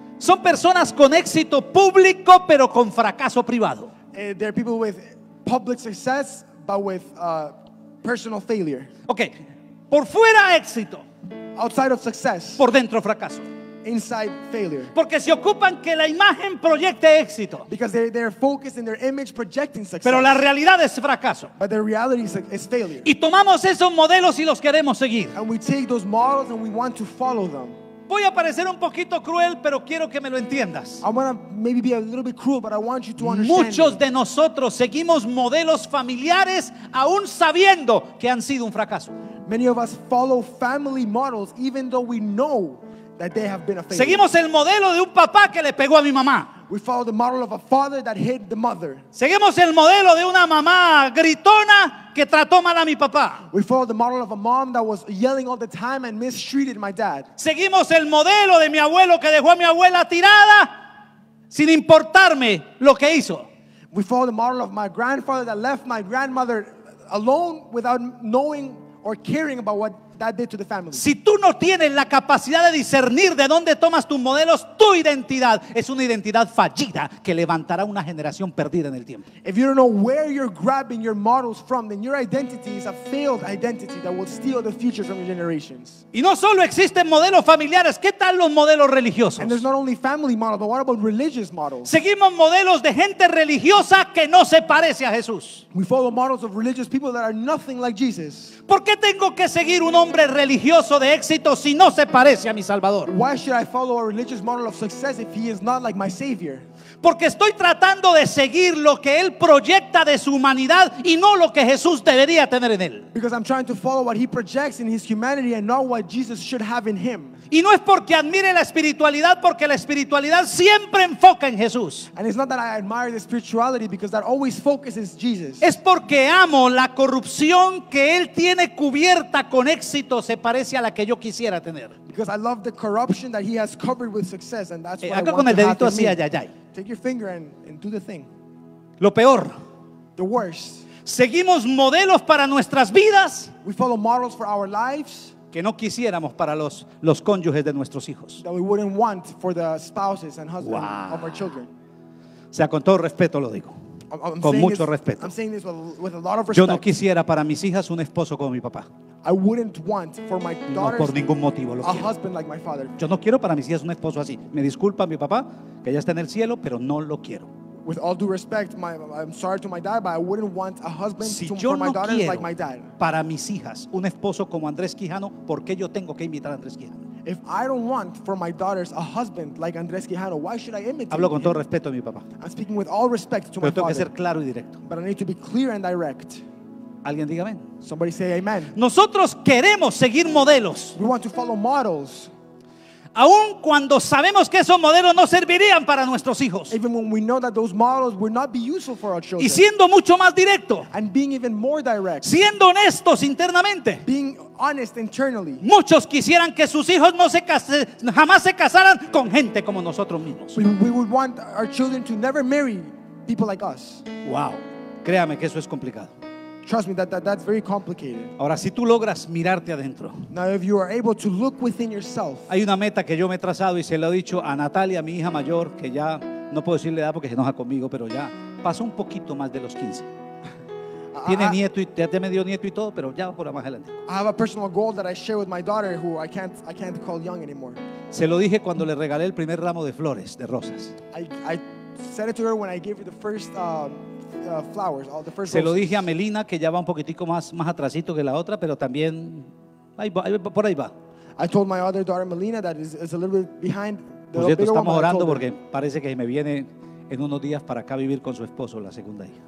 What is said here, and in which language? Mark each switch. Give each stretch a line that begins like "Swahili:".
Spanish: Son personas con éxito público pero con fracaso privado.
English: There are people with public success but with personal failure.
Spanish: Okay. Por fuera éxito.
English: Outside of success.
Spanish: Por dentro fracaso.
English: Inside failure.
Spanish: Porque se ocupan que la imagen proyecte éxito.
English: Because they're focused in their image projecting success.
Spanish: Pero la realidad es fracaso.
English: But the reality is failure.
Spanish: Y tomamos esos modelos y los queremos seguir.
English: And we take those models and we want to follow them.
Spanish: Voy a parecer un poquito cruel, pero quiero que me lo entiendas.
English: I'm gonna maybe be a little bit cruel, but I want you to understand.
Spanish: Muchos de nosotros seguimos modelos familiares aún sabiendo que han sido un fracaso.
English: Many of us follow family models even though we know that they have been a failure.
Spanish: Seguimos el modelo de un papá que le pegó a mi mamá.
English: We follow the model of a father that hit the mother.
Spanish: Seguimos el modelo de una mamá gritona que trató mal a mi papá.
English: We follow the model of a mom that was yelling all the time and mistreated my dad.
Spanish: Seguimos el modelo de mi abuelo que dejó a mi abuela tirada sin importarme lo que hizo.
English: We follow the model of my grandfather that left my grandmother alone without knowing or caring about what that did to the family.
Spanish: Si tú no tienes la capacidad de discernir de dónde tomas tus modelos, tu identidad es una identidad fallida que levantará una generación perdida en el tiempo.
English: If you don't know where you're grabbing your models from, then your identity is a failed identity that will steal the future from your generations.
Spanish: Y no solo existen modelos familiares, ¿qué tal los modelos religiosos?
English: And there's not only family models, but what about religious models?
Spanish: Seguimos modelos de gente religiosa que no se parece a Jesús.
English: We follow models of religious people that are nothing like Jesus.
Spanish: ¿Por qué tengo que seguir un hombre religioso de éxito si no se parece a mi Salvador?
English: Why should I follow a religious model of success if he is not like my Savior?
Spanish: Porque estoy tratando de seguir lo que él proyecta de su humanidad y no lo que Jesús debería tener en él.
English: Because I'm trying to follow what he projects in his humanity and not what Jesus should have in him.
Spanish: Y no es porque admire la espiritualidad, porque la espiritualidad siempre enfoca en Jesús.
English: And it's not that I admire the spirituality because that always focuses Jesus.
Spanish: Es porque amo la corrupción que él tiene cubierta con éxito, se parece a la que yo quisiera tener.
English: Because I love the corruption that he has covered with success and that's what
Spanish: acá
English: I want
Spanish: con el dedito
English: to have
Spanish: así, allá, allá.
English: Take your finger and do the thing.
Spanish: Lo peor.
English: The worst.
Spanish: Seguimos modelos para nuestras vidas.
English: We follow models for our lives.
Spanish: Que no quisiéramos para los cónyuges de nuestros hijos.
English: That we wouldn't want for the spouses and husbands of our children.
Spanish: O sea, con todo respeto lo digo. Con mucho respeto.
English: I'm saying this with a lot of respect.
Spanish: Yo no quisiera para mis hijas un esposo como mi papá.
English: I wouldn't want for my daughters
Spanish: no, por ningún motivo lo
English: a
Spanish: quiero.
English: Husband like my father.
Spanish: Yo no quiero para mis hijas un esposo así. Me disculpa mi papá, que ya está en el cielo, pero no lo quiero.
English: With all due respect, I'm sorry to my dad, but I wouldn't want a husband
Spanish: si
English: to, for
Spanish: no
English: my daughters like my dad.
Spanish: Para mis hijas un esposo como Andrés Quijano, ¿por qué yo tengo que imitar a Andrés Quijano?
English: If I don't want for my daughters a husband like Andrés Quijano, why should I imitate him?
Spanish: Hablo con todo respeto a mi papá.
English: I'm speaking with all respect to
Spanish: pero tengo
English: father.
Spanish: Que ser claro y directo.
English: But I need to be clear and direct.
Spanish: Alguien diga amén.
English: Somebody say amen.
Spanish: Nosotros queremos seguir modelos.
English: We want to follow models.
Spanish: Aun cuando sabemos que esos modelos no servirían para nuestros hijos.
English: Even when we know that those models would not be useful for our children.
Spanish: Y siendo mucho más directo.
English: And being even more direct.
Spanish: Siendo honestos internamente.
English: Being honest internally.
Spanish: Muchos quisieran que sus hijos jamás se casaran con gente como nosotros mismos.
English: We would want our children to never marry people like us.
Spanish: Wow. Créame que eso es complicado.
English: Trust me, that's very complicated.
Spanish: Ahora, si tú logras mirarte adentro.
English: Now, if you are able to look within yourself.
Spanish: Hay una meta que yo me he trazado y se lo he dicho a Natalia, mi hija mayor, que ya no puedo decirle edad porque se enoja conmigo, pero ya pasó un poquito más de los 15. Tiene nieto y ya me dio nieto y todo, pero ya por más adelante.
English: I have a personal goal that I share with my daughter who I can't call young anymore.
Spanish: Se lo dije cuando le regalé el primer ramo de flores, de rosas.
English: I said it to her when I gave her the first flowers, all the first roses.
Spanish: Se lo dije a Melina, que ya va un poquitico más atrasito que la otra, pero también por ahí va.
English: I told my other daughter Melina that is a little bit behind.
Spanish: Por cierto, estamos orando porque parece que me viene en unos días para acá vivir con su esposo, la segunda hija.